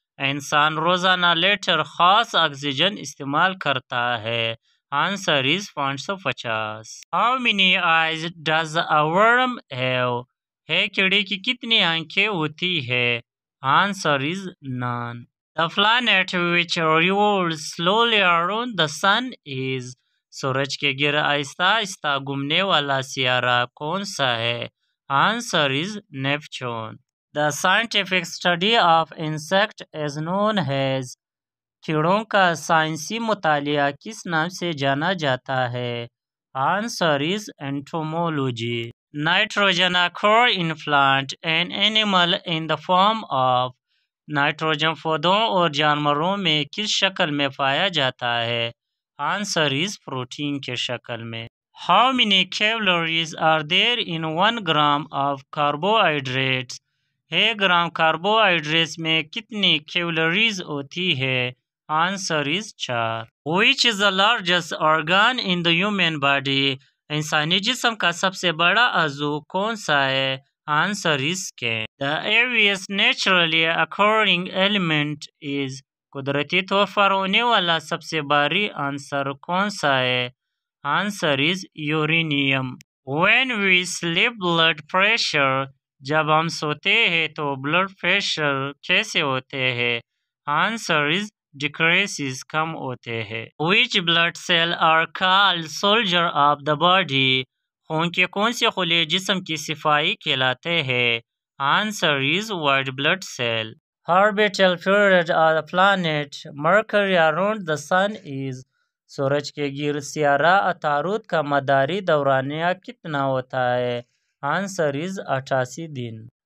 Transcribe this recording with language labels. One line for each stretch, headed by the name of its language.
Urdu: انسان روزانہ لیٹر خاص آکسیجن استعمال کرتا ہے.
English: Answer is 550. How many eyes does a worm have?
Urdu: کیڑے کی کتنی آنکھیں ہوتی ہے؟
English: Answer is none. The planet which revolves slowly around the sun is?
Urdu: سورج کے گر آہستہ آہستہ گھومنے والا سیارہ کون سا ہے؟
English: Answer is Neptune. The scientific study of insect is known as?
Urdu: کیڑوں کا سائنسی مطالعہ کس نام سے جانا جاتا ہے؟
English: Answer is Entomology. Nitrogen occur in plant and animal in the form of?
Urdu: Nitrogen پودوں اور جانوروں میں کس شکل میں پایا جاتا ہے؟
English: Answer is Protein
Urdu: کے شکل میں.
English: How many calories are there in 1 gram of carbohydrates?
Urdu: ہے گرام کاربوہائیڈریٹس میں کتنی کیلوریز ہوتی ہے؟
English: Answer is 4. Which is the largest organ in the human body?
Urdu: انسانی جسم کا سب سے بڑا عضو کون سا ہے؟
English: Answer is skin. The heaviest naturally occurring element is?
Urdu: قدرتی طور پر ہونے والا سب سے بھاری عنصر کون سا ہے؟
English: Answer is uranium. When we sleep, blood pressure.
Urdu: جب ہم سوتے ہیں تو blood pressure کیسے ہوتے ہیں؟
English: Answer is decreases,
Urdu: کم ہوتے ہیں.
English: Which blood cell are called soldier of the body?
Urdu: خون کے کون سے خلیے جسم کی صفائی کہلاتے ہیں؟
English: Answer is white blood cell. Orbital period of the planet Mercury around the sun is?
Urdu: سورج کے گیر سیارہ عطارد کا مداری دورانیہ کتنا ہوتا ہے؟
English: answer is 88
Urdu: then.